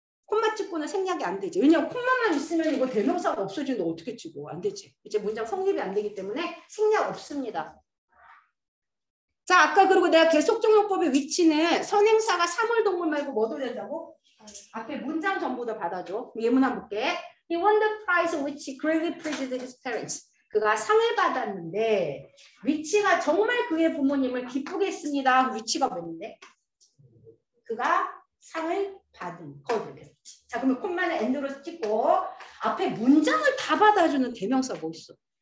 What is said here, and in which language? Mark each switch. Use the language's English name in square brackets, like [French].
[Korean] 콤마 찍고는 생략이 안 되지. 왜냐면 콤마만 있으면 이거 대명사가 없어지는데 어떻게 찍어? 안 되지. 이제 문장 성립이 안 되기 때문에 생략 없습니다. 자, 아까 그리고 내가 계속적 용법의 위치는 선행사가 사물 동물 말고 뭐도 된다고? 앞에 문장 전부도 받아줘. 예문 한번 볼게. [English] He won the prize which greatly pleased his parents. [Korean] 그가 상을 받았는데 위치가 정말 그의 부모님을 기쁘게 했습니다. 위치가 뭔데? 그가 상을 받은 거거든. 자, 그러면 콤마는 엔드로 찍고 앞에 문장을 다 받아주는 대명사 뭐 있어?